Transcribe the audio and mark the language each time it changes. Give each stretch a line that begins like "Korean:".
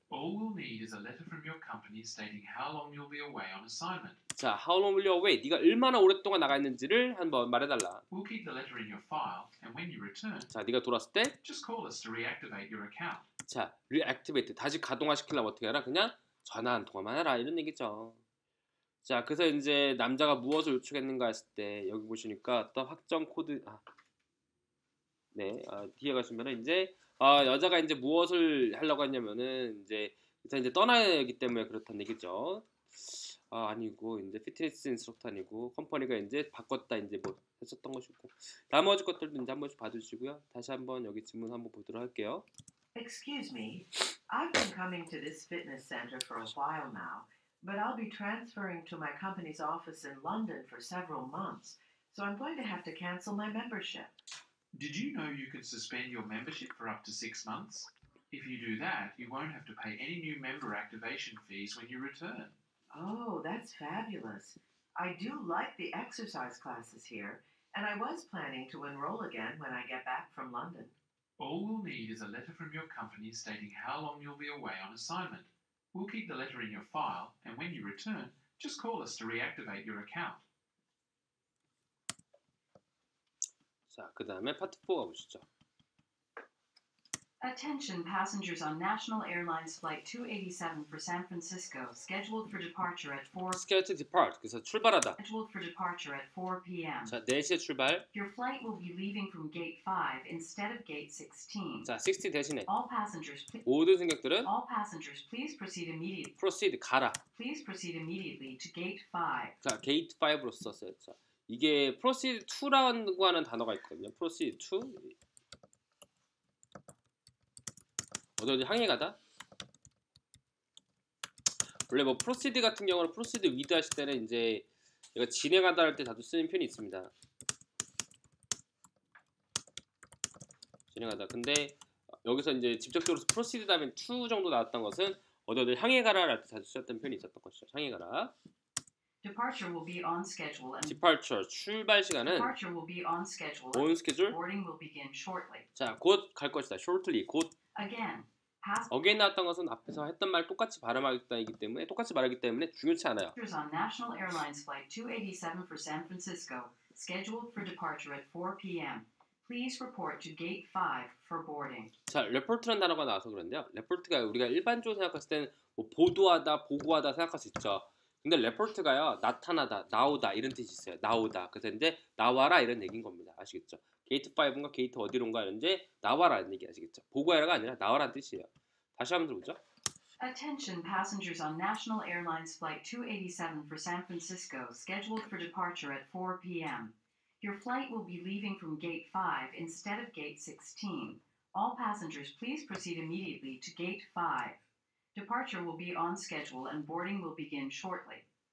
English: all you need is a letter from your company stating how long you'll be away on assignment
Korean: 자
English: how long will you away
Korean: 네가 얼마나 오랫동안 나가 있는지를 한번 말해달라
English: we'll keep the letter in your file and when you return
Korean: 자 네가 돌아왔을 때
English: just call us to reactivate your account
Korean: 자 reactivate 다시 가동화시키려면 어떻게 하라 그냥 전화 한 통화만 하라 이런 얘기죠 자 그래서 이제 남자가 무엇을 요청했는가 했을 때 여기 보시니까 어떤 확정 코드 아 네 아, 뒤에 가시면은 이제 아 여자가 이제 무엇을 하려고 했냐면은 이제 일단 이제 떠나야 하기 때문에 그렇다는 얘기죠 아 아니고 이제 피트니스 인스트럭터 아니고 컴퍼니가 이제 바꿨다 이제 뭐 했었던 것이고 나머지 것들도 이제 한 번씩 봐주시고요 다시 한번 여기 질문 한번 보도록 할게요
English: Excuse me, I've been coming to this fitness center for a while now but I'll be transferring to my company's office in London for several months so I'm going to have to cancel my membership Did you know you could suspend your membership for up to 6 months? If you do that, you won't have to pay any new member activation fees when you return. Oh, that's fabulous. I do like the exercise classes here, and I was planning to enroll again when I get back from London. All we'll need is a letter from your company stating how long you'll be away on assignment. We'll keep the letter in your file, and when you return, just call us to reactivate your account.
Korean: 자, 그 다음에 파트 4 가보시죠.
English: Attention passengers on National Airlines Flight 287 for San Francisco scheduled for departure at 4 Scheduled to depart,
Korean: 그래서 출발하다.
English: Scheduled for departure at 4 p.m.
Korean: 자, 4시에 출발.
English: Your flight will be leaving from gate 5 instead of gate 16.
Korean: 자, 16 대신에.
English: All passengers,
Korean: 모든 승객들은
English: All passengers, please proceed immediately.
Korean: Proceed, 가라.
English: Please proceed immediately to gate 5.
Korean: 자, gate 5로 썼어요. 자. 이게 proceed to라고 하는 단어가 있거든요. proceed to 어디 향해 가다 원래 뭐 proceed 같은 경우는 proceed with 하실 때는 이제 이거 진행하다 할 때 자주 쓰는 표현이 있습니다. 진행하다. 근데 여기서 이제 직접적으로 proceed 다음에 to 정도 나왔던 것은 어디 향해 가라 할 때 자주 쓰셨던 표현이 있었던 것이죠. 향해 가라.
English: Departure will be on schedule and
Korean: departure 출발 시간은
English: departure will be on schedule on schedule boarding will begin shortly
Korean: 자, 곧 갈 것이다. shortly 곧
English: again
Korean: again 나왔던 것은 앞에서 했던 말 똑같이 발음하기 때문에 똑같이 말하기 때문에 중요치 않아요.
English: Passengers on National Airlines flight 287 for San Francisco scheduled for departure at 4 p.m. Please report to gate 5 for boarding.
Korean: 자, report라는 단어가 나와서 그런데요. report가 우리가 일반적으로 생각했을 때는 뭐 보도하다, 보고하다 생각할 수 있죠. 근데 레포트가요 나타나다 나오다 이런 뜻이 있어요 나오다 그래서 이제 나와라 이런 얘기인 겁니다 아시겠죠 게이트 5인가 게이트 어디론가 이제 나와라 이런 얘기 아시겠죠 보고하라가 아니라 나와라는 뜻이에요 다시 한번 들어보죠
English: Attention passengers on National Airlines flight 287 for San Francisco scheduled for departure at 4 p.m. Your flight will be leaving from gate 5 instead of gate 16. All passengers please proceed immediately to gate 5. Departure will be on schedule and boarding will begin shortly.